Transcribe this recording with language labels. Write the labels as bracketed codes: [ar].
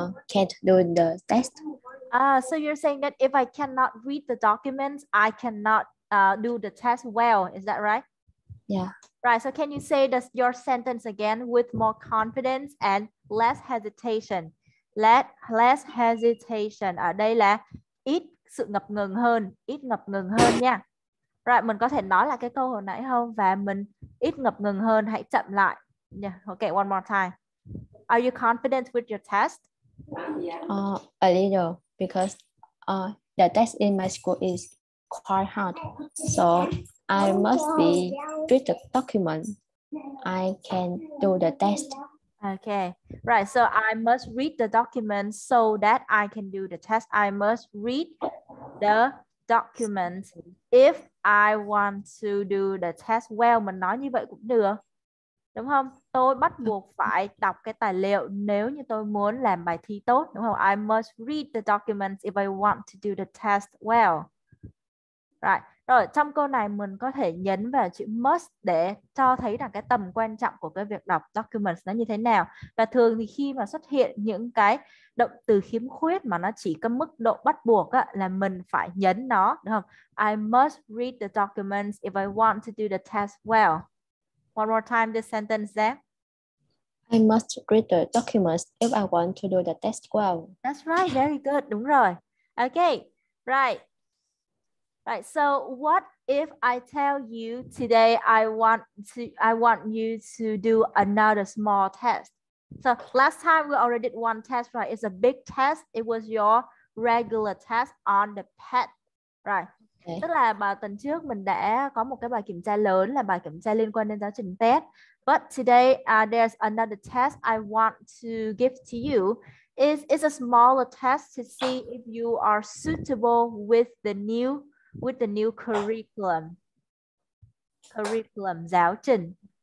[en] can't do the test. So you're saying that if I cannot read the documents, I cannot do the test well. Is that right? Yeah. Right. So can you say this, your sentence again with more confidence and less hesitation? Less hesitation. [vi] Ở đây là ít sự ngập ngừng hơn, ít ngập ngừng hơn nha. Right, mình có thể nói lại cái câu hồi nãy không? Và mình ít ngập ngừng hơn, hãy chậm lại. [en] Yeah, okay, one more time. Are you confident with your test? Yeah. A little, because the test in my school is quite hard. So I must be read the document. I can do the test. Okay, right. So I must read the document so that I can do the test. I must read the document if I want to do the test well. [vi] Mình nói như vậy cũng được, đúng không? Tôi bắt buộc phải đọc cái tài liệu nếu như tôi muốn làm bài thi tốt, đúng không? [en] I must read the documents if I want to do the test well. Right. [vi] Rồi, trong câu này mình có thể nhấn vào chữ must để cho thấy rằng cái tầm quan trọng của cái việc đọc documents nó như thế nào. Và thường thì khi mà xuất hiện những cái động từ khiếm khuyết mà nó chỉ có mức độ bắt buộc á, là mình phải nhấn nó, đúng không? [en] I must read the documents if I want to do the test well. One more time this sentence there. I must read the documents if I want to do the test well. That's right, very good, [vi] đúng rồi. [en] Okay, right. Right, so what if I tell you today I want you to do another small test. So last time we already did one test, right? It's a big test. It was your regular test on the PET, right? Okay. [vi] Tức là bài tuần trước mình đã có một cái bài kiểm tra lớn là bài kiểm tra liên quan đến giáo trình PET. [en] But today there's another test I want to give to you. It's a smaller test to see if you are suitable with the new curriculum [vi] giáo trình.